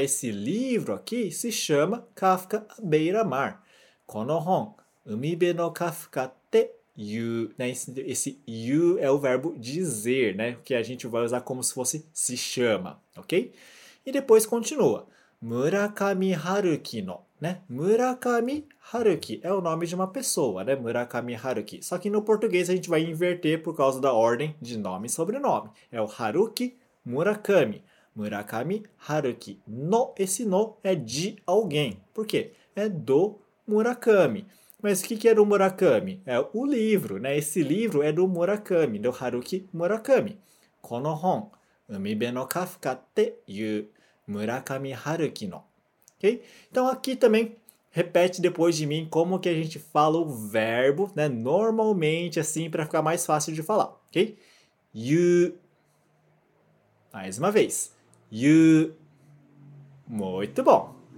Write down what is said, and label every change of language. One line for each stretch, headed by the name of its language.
Portuguese: Esse livro aqui se chama Kafka à beira-mar.
Japanese: Konohon, 海辺のカフカって you, né?
Portuguese: Esse you é o verbo dizer, né? Que a gente vai usar como se fosse se chama, ok? E depois continua. Murakami Haruki no, né? Murakami Haruki é o nome de uma pessoa, né? Murakami Haruki. Só que no português a gente vai inverter por causa da ordem de nome e sobrenome. É o Haruki Murakami. Murakami Haruki no, esse no é de alguém. Por quê? É do Murakami. Mas o que é do Murakami? É o livro, né? Esse livro é do Murakami, do Haruki Murakami.
Japanese: この本、海辺のカフカっていう村上春樹の。
English: Okay?
Portuguese: Então aqui também repete depois de mim como que a gente fala o verbo, né? Normalmente assim para ficar mais fácil de falar, ok? You. Mais uma vez. You. Muito bom.